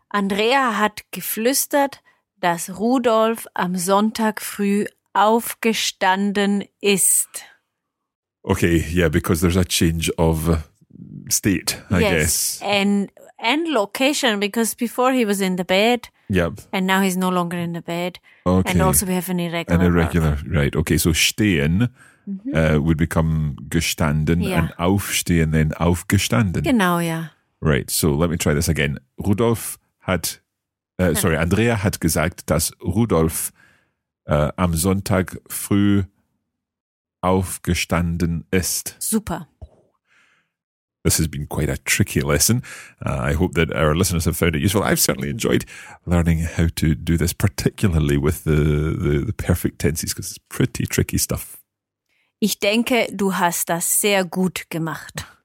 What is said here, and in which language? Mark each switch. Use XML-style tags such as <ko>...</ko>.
<de>Andrea hat geflüstert, dass Rudolf am Sonntag früh aufgestanden ist.</de> <en>Okay, yeah, because there's a change of state, I guess. And location, because before he was in the bed. Yep. And now he's no longer in the bed. Okay. And also we have an irregular. An irregular, work. Right. Okay, so stehen mm-hmm. Would become gestanden yeah. and aufstehen then aufgestanden.</en> <de>Genau, yeah.</de> <en>Right, so let me try this again.</en> <de>Rudolf hat, Andrea hat gesagt, dass Rudolf am Sonntag früh aufgestanden ist. Super.</de> <en>This has been quite a tricky lesson. I hope that our listeners have found it useful. I've certainly enjoyed learning how to do this, particularly with the perfect tenses, because it's pretty tricky stuff.</en> <de>Ich denke, du hast das sehr gut gemacht.</de>